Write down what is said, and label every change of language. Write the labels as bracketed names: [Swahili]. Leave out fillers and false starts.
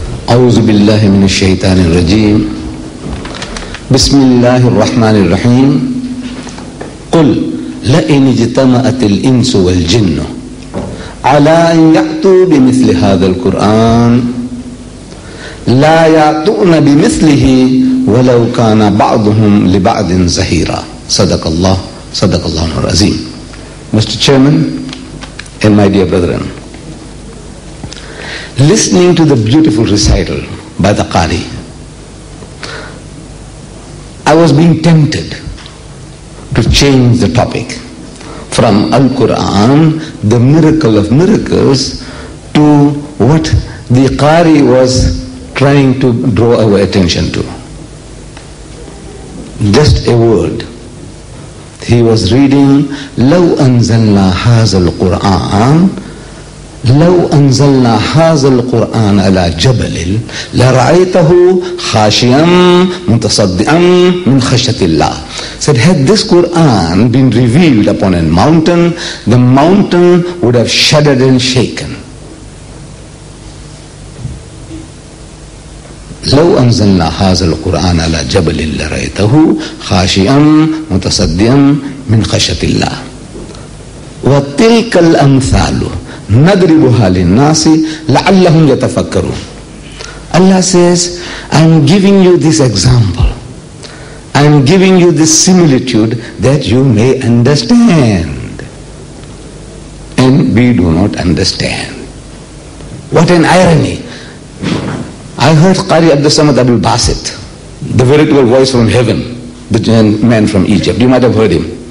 [Arabic] أعوذ بالله من الشيطان الرجيم بسم الله الرحمن الرحيم قل لئن اجتمعت الإنس والجن على أن يأتوا بمثل هذا القرآن لا يأتون بمثله ولو كان بعضهم لبعض زهيرا صدق الله العظيم Mr. [English] Chairman and my dear brethren Listening to the beautiful recital by the Qari, I was being tempted to change the topic from Al-Quran, the miracle of miracles, to what the Qari was trying to draw our attention to. Just a word. He was reading, [Arabic] لَوْ أَنزَلْنَا هَذَا الْقُرْآنَ لو أنزلنا هذا القرآن على جبل لرأيته خاشيا متصدعا من خشية الله [English] said had this Quran been revealed upon a mountain the mountain would have shuddered and shaken [Arabic] لو أنزلنا هذا القرآن على جبل لرأيته خاشيا متصدعا من خشية الله وتلك الأمثال نَدْرِبُهَا لِلنَّاسِ لَعَلَّهُمْ يَتَفَكَّرُونَ [English] Allah says, I'm giving you this example. I'm giving you this similitude that you may understand. And we do not understand. What an irony. I heard Qari Abdul Samad Abul Basit, the veritable voice from heaven, the man from Egypt. You might have heard him.